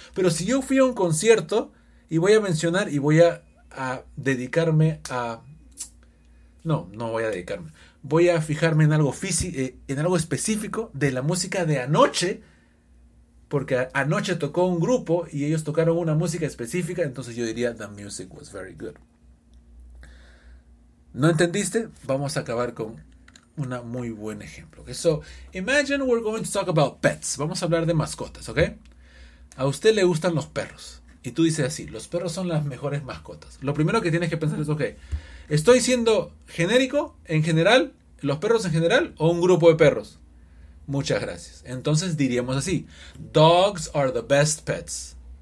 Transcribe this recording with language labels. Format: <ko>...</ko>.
<es>Pero si yo fui a un concierto y voy a mencionar y voy a dedicarme a... No, no voy a dedicarme. Voy a fijarme en algo físico, en algo específico de la música de anoche. Porque anoche tocó un grupo y ellos tocaron una música específica. Entonces yo diría</es> <en>the music was very good.</en> <es>¿No entendiste? Vamos a acabar con un muy buen ejemplo.</es> <en>Okay, so, imagine we're going to talk about pets.</en> <es>Vamos a hablar de mascotas, ¿ok? A usted le gustan los perros. Y tú dices así, los perros son las mejores mascotas. Lo primero que tienes que pensar es, ok, ¿estoy siendo genérico en general? ¿Los perros en general o un grupo de perros? Muchas gracias. Entonces diríamos así,</es> <en>dogs are the best pets.</en>